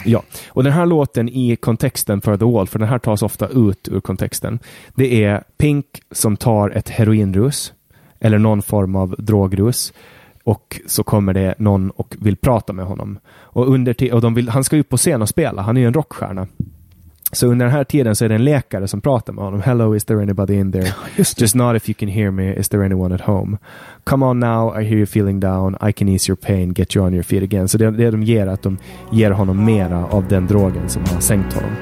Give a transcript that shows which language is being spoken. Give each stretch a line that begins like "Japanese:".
Swedish: Ja, och den här låten i kontexten för The Wall, för den här tas ofta ut ur kontexten, det är Pink som tar ett heroinrus eller någon form av drogrus, och så kommer det någon och vill prata med honom. Och han ska ju på scen och spela, han är ju en rockstjärna. Så under den här tiden så är det en läkare som pratar med honom.
English: Hello, is there anybody in there? Just not if you can hear me. Is there anyone at home? Come on now, I hear you feeling down. I can ease your pain. Get you on your feet again.
Swedish: Så det de ger är att de ger honom mera av den drogen som har sänkt honom.